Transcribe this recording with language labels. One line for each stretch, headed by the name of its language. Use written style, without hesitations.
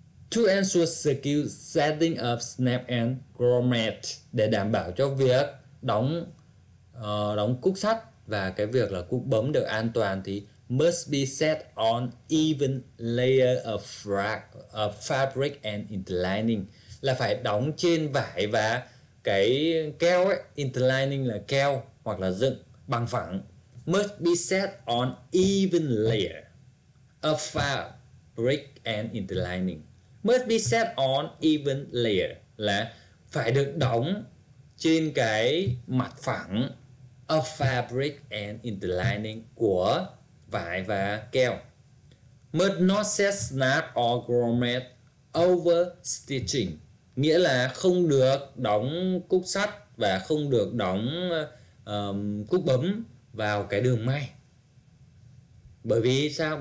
English: To ensure secure setting of snap and grommet,
Vietnamese: để đảm bảo cho việc đóng cúc sắt và cái việc là cúc bấm được an toàn thì
English: must be set on even layer of fabric and interlining,
Vietnamese: là phải đóng trên vải và cái keo ấy, interlining là keo hoặc là dựng bằng phẳng.
English: Must be set on even layer of fabric and interlining. Must be set on even layer
Vietnamese: là phải được đóng trên cái mặt phẳng
English: of fabric and interlining
Vietnamese: của vải và keo.
English: Must not set snap or grommet over stitching,
Vietnamese: nghĩa là không được đóng cúc sắt và không được đóng cúc bấm vào cái đường may. Bởi vì sao?